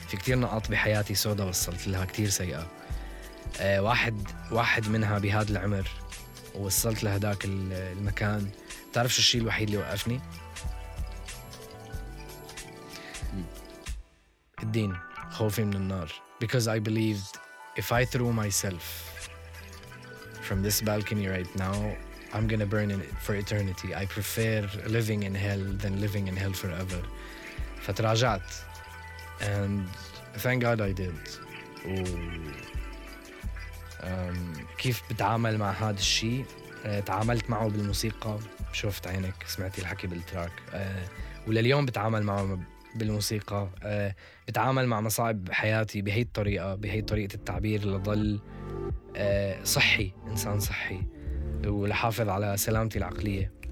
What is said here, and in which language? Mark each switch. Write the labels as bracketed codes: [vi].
[ar] في كتير نقاط بحياتي سودا وصلت لها كتير سيئة. واحد منها بهذا العمر. وصلت لهداك المكان. تعرف شو الشيء الوحيد اللي وقفني؟ الدين, خوفي من النار. [en] Because I believed if I threw myself from this balcony right now I'm gonna burn in for eternity. I prefer living in hell than living in hell forever. [ar] فتراجعت, [en] and thank God I did. [ar] كيف بتعامل مع هذا الشيء؟ تعاملت معه بالموسيقى, شفت عينك سمعتي الحكي بالتراك, ولليوم بتعامل معه بالموسيقى, بتعامل مع مصاعب حياتي بهي الطريقة, بهي طريقة التعبير, لضل صحي, إنسان صحي, ولحافظ على سلامتي العقلية.